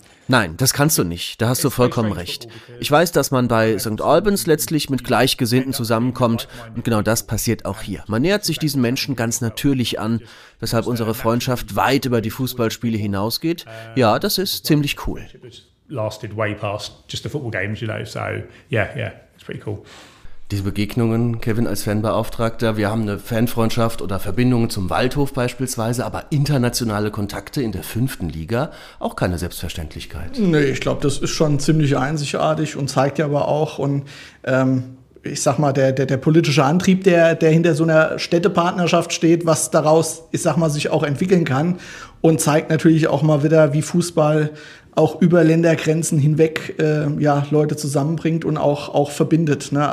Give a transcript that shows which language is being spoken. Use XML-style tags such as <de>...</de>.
<de>Nein, das kannst du nicht. Da hast du vollkommen recht. Ich weiß, dass man bei St. Albans letztlich mit Gleichgesinnten zusammenkommt. Und genau das passiert auch hier. Man nähert sich diesen Menschen ganz natürlich an, weshalb unsere Freundschaft weit über die Fußballspiele hinausgeht. Ja, das ist ziemlich cool.</de> <en>Lasted way past just the football games, you know. So, yeah, it's pretty cool.</en> <de>Diese Begegnungen, Kevin, als Fanbeauftragter, wir haben eine Fanfreundschaft oder Verbindungen zum Waldhof beispielsweise, aber internationale Kontakte in der 5. Liga, auch keine Selbstverständlichkeit. Nee, ich glaube, das ist schon ziemlich einzigartig und zeigt ja aber auch, und ich sag mal, der politische Antrieb, der hinter so einer Städtepartnerschaft steht, was daraus, ich sag mal, sich auch entwickeln kann und zeigt natürlich auch mal wieder, wie Fußball auch über Ländergrenzen hinweg Leute zusammenbringt und auch verbindet, ne?</de>